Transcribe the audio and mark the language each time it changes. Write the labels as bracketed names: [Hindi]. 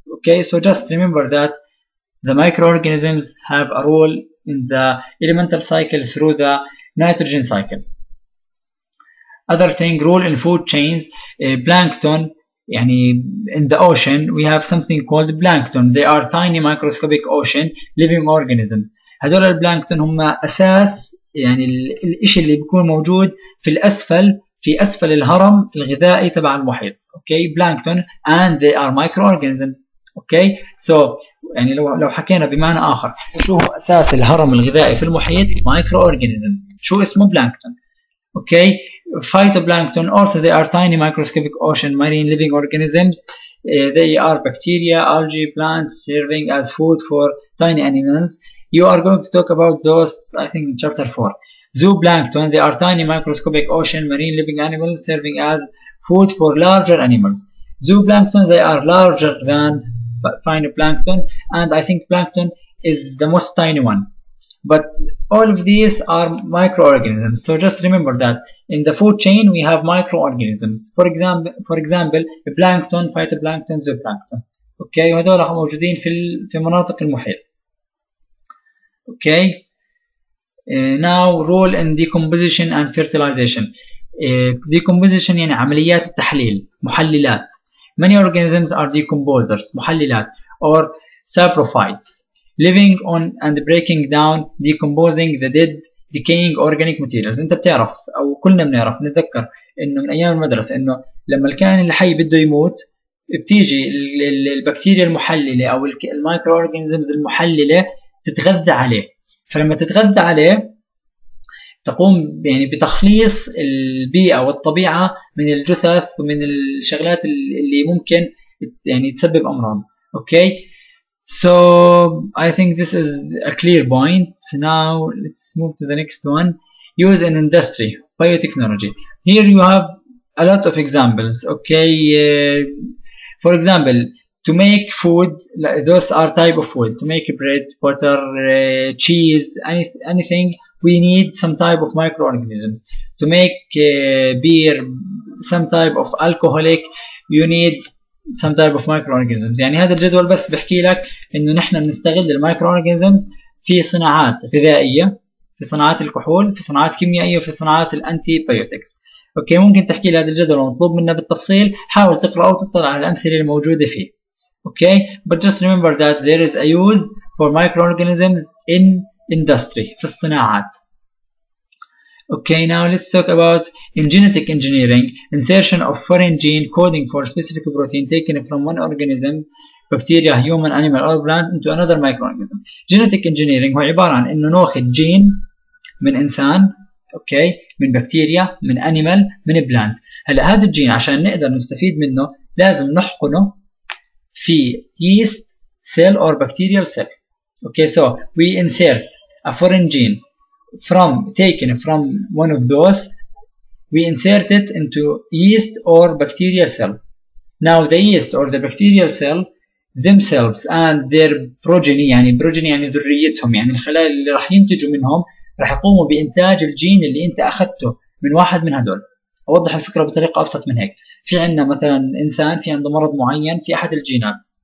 [English] Okay, so just remember that the microorganisms have a role in the elemental cycle through the nitrogen cycle. Other thing, role in food chains, plankton, يعني in the ocean, we have something called plankton. They are tiny microscopic ocean living organisms. [Arabic] هذول البلانكتون هم أساس يعني الإشي اللي بيكون موجود في الأسفل في أسفل الهرم الغذائي تبع المحيط. [English] Okay, plankton and they are microorganisms. [Arabic] اوكي سو يعني لو حكينا بمعنى اخر شو هو اساس الهرم الغذائي في المحيط؟ مايكرو اورجانيزمز. شو اسمه؟ بلانكتون. [English] Okay phytoplankton also they are tiny microscopic ocean marine living organisms. They are bacteria, algae, plants serving as food for tiny animals. You are going to talk about those I think in chapter 4. Zooplankton, they are tiny microscopic ocean marine living animals serving as food for larger animals. Zooplankton, they are larger than phytoplankton, and I think plankton is the most tiny one. But all of these are microorganisms. So just remember that in the food chain we have microorganisms. For example, plankton, phytoplankton, zooplankton. [Arabic] Okay, وهذول موجودين في مناطق المحيط. [English] Okay. Now role in decomposition and fertilization. [Arabic] Decomposition يعني عمليات التحليل، محللات. [English] Many organisms are decomposers، محللات، or saprophytes. Living on and breaking down, decomposing the dead, decaying organic materials. [Arabic] أنت بتعرف أو كلنا بنعرف نتذكر إنه من أيام المدرسة إنه لما الكائن الحي بده يموت بتيجي البكتيريا المحللة أو المايكرو أورجانيزمز المحللة تتغذى عليه. فلما تتغذى عليه تقوم يعني بتخليص البيئة والطبيعة من الجثث ومن الشغلات اللي ممكن يعني تسبب أمراض. [English] Okay? So I think this is a clear point. Now let's move to the next one. Use in industry, biotechnology. Here you have a lot of examples. Okay, for example, to make food, those are type of food. To make bread, butter, cheese, anything, we need some type of microorganisms. To make beer, some type of alcoholic, you need some type of microorganisms. [Arabic] يعني هذا الجدول بس بحكي لك انه نحن بنستغل الميكروورجانيزمز في صناعات غذائيه، في صناعات الكحول، في صناعات كيميائيه، وفي صناعات الانتي بايوتكس. اوكي ممكن تحكي لي هذا الجدول ومطلوب منا بالتفصيل، حاول تقرا او تطلع على الامثله الموجوده فيه. [English] okay but just remember that there is a use for microorganisms in industry [Arabic] في الصناعات. [English] Okay, now let's talk about in genetic engineering, insertion of foreign gene coding for specific protein taken from one organism, bacteria, human, animal, or plant into another microorganism. [Arabic] Genetic engineering هو عبارة عن إنه ناخذ جين من إنسان, okay, من بكتيريا, من animal, من plant. هلا هذا الجين عشان نقدر نستفيد منه لازم نحقنه في [English] yeast cell or bacterial cell. Okay, so we insert a foreign gene. From taken from one of those, we insert it into yeast or bacteria cell. Now the yeast or the bacterial cell themselves and their progeny, [Arabic] يعني progeny يعني ذريتهم يعني الخلايا اللي راح ينتجوا منهم راح يقوموا بإنتاج الجين اللي أنت أخذته من واحد من هذول. أوضح الفكرة بطريقة أبسط من هيك. في عندنا مثلاً إنسان في عنده مرض معين في أحد الجينات.